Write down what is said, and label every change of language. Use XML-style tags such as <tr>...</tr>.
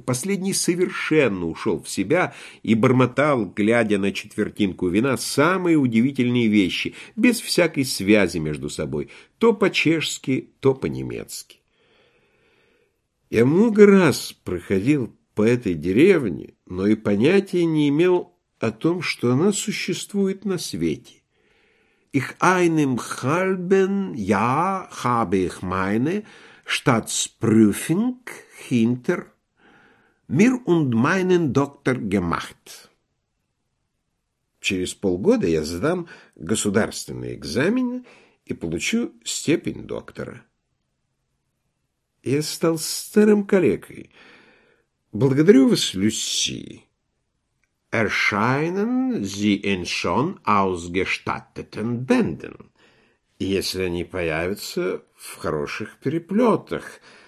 <ru>Последний совершенно ушел в себя и бормотал, глядя на четвертинку вина, самые удивительные вещи, без всякой связи между собой, то по-чешски, то по-немецки. Я много раз проходил по этой деревне, но и понятия не имел о том, что она существует на свете.</ru> <de>«Их einem halben Jahr habe ich meine Staatsprüfung hinter mir und meinen Doktor gemacht».</de> <ru>Через полгода я сдам государственный экзамен и получу степень доктора. Я стал старым калекой. Благодарю вас, Люси.</ru> <de>Erscheinen Sie in schon ausgestatteten Bänden,</de> <ru>если они появятся в хороших переплетах.</ru>